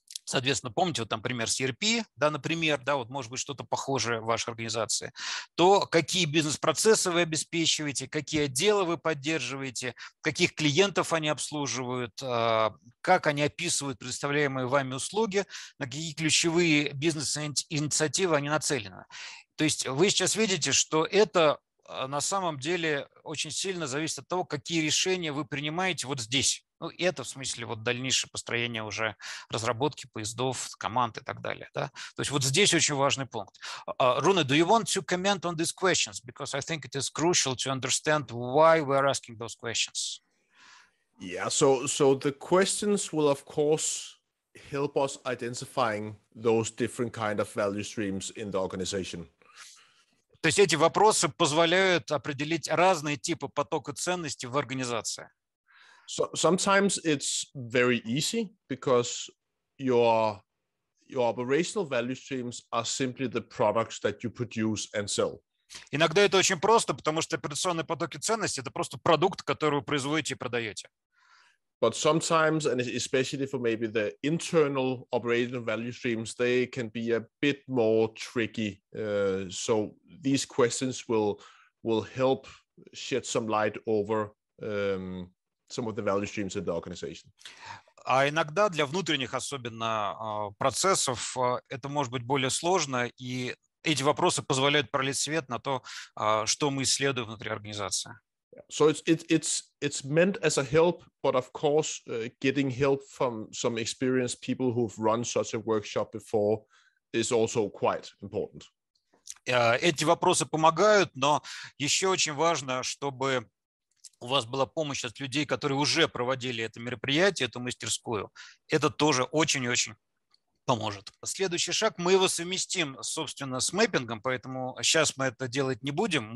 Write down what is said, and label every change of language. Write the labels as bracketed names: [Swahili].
[Russian] соответственно, помните, вот там пример с ERP, да, например, да, вот может быть что-то похожее в вашей организации, то какие бизнес-процессы вы обеспечиваете, какие отделы вы поддерживаете, каких клиентов они обслуживают, как они описывают предоставляемые вами услуги, на какие ключевые бизнес-инициативы они нацелены. То есть вы сейчас видите, что это на самом деле очень сильно зависит от того, какие решения вы принимаете вот здесь. Ну, это в смысле вот дальнейшее построение уже разработки поездов, команд и так далее. Да? То есть вот здесь очень важный пункт. [English] Руна, do you want to comment on these questions? Because I think it is crucial to understand why we are asking those questions. Yeah, so the questions will of course help us identifying those different kind of value streams in the organization. [Russian] То есть эти вопросы позволяют определить разные типы потока ценностей в организации. [English] So sometimes it's very easy because your operational value streams are simply the products that you produce and sell. [Russian] Иногда это очень просто, потому что операционные потоки ценностей — это просто продукт, который вы производите и продаете. [English] But sometimes, and especially for maybe the internal operational value streams, they can be a bit more tricky. So these questions will help shed some light over some of the value streams in the organization. [Russian] А иногда для внутренних особенно процессов это может быть более сложно, и эти вопросы позволяют пролить свет на то, что мы исследуем внутри организации. [English] So it's meant as a help, but of course, getting help from some experienced people who've run such a workshop before is also quite important. [Russian] Эти вопросы помогают, но еще очень важно, чтобы у вас была помощь от людей, которые уже проводили это мероприятие, эту мастерскую. Это тоже очень и очень поможет. Следующий шаг, мы его совместим, собственно, с мэппингом, поэтому сейчас мы это делать не будем.